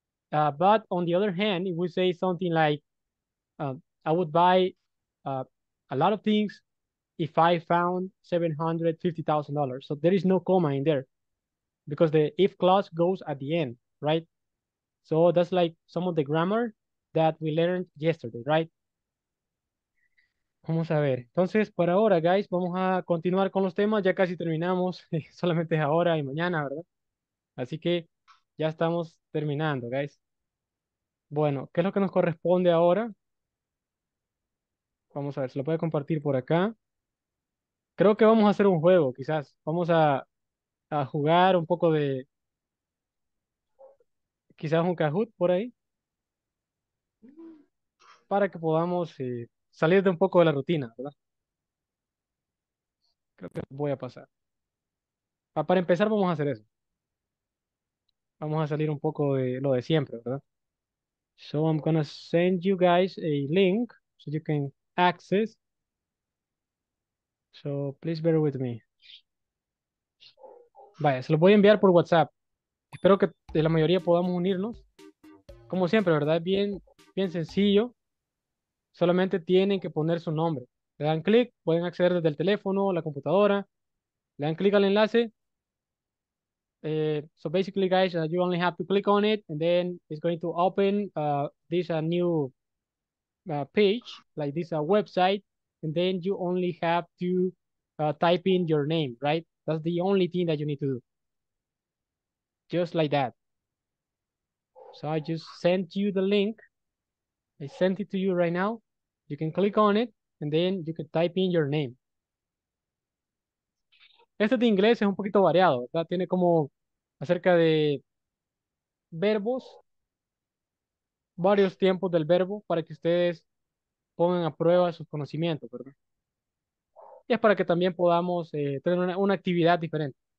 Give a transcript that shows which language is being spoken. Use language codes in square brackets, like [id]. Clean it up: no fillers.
[en] But on the other hand, if we say something like, I would buy a lot of things if I found $750,000. So there is no comma in there because the if clause goes at the end, right? So that's like some of the grammar that we learned yesterday, right? [es] Vamos a ver. Entonces, por ahora, guys, vamos a continuar con los temas. Ya casi terminamos. Solamente es ahora y mañana, ¿verdad? Así que ya estamos terminando, guys. Bueno, ¿qué es lo que nos corresponde ahora? Vamos a ver, se lo puede compartir por acá. Creo que vamos a hacer un juego, quizás. Vamos a jugar un poco de. Quizás un Kahoot por ahí. Para que podamos salir de un poco de la rutina, ¿verdad? Creo que voy a pasar. Para empezar, vamos a hacer eso. Vamos a salir un poco de lo de siempre, ¿verdad? [en] So I'm gonna send you guys a link so you can access. So please bear with me. [es] Vaya, se los voy a enviar por WhatsApp. Espero que de la mayoría podamos unirnos. Como siempre, ¿verdad? Es bien, bien sencillo. Solamente tienen que poner su nombre. Le dan clic, pueden acceder desde el teléfono o la computadora. Le dan clic al enlace. [en] So basically, guys, you only have to click on it and then it's going to open this new page, like this website. And then you only have to type in your name, right? That's the only thing that you need to do. Just like that. So I just sent you the link. I sent it to you right now. You can click on it and then you can type in your name. [es] Este de inglés es un poquito variado, ¿verdad? Tiene como acerca de verbos, varios tiempos del verbo para que ustedes pongan a prueba sus conocimientos, ¿verdad? Y es para que también podamos tener una actividad diferente.